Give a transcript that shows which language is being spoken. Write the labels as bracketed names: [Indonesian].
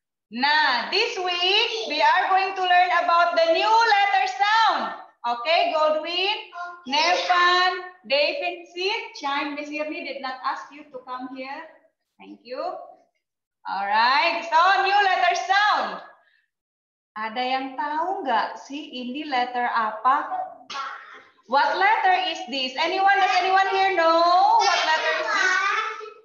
[English] Nah, this week we are going to learn about the new letter sound. Okay, Goldwin, okay. Nevan, David, sit. Chime, Miss Irmi did not ask you to come here. Thank you. All right. So, new letter sound. [Indonesian] Ada yang tahu nggak sih ini letter apa? [English] What letter is this? Anyone, does anyone here know what letter is this?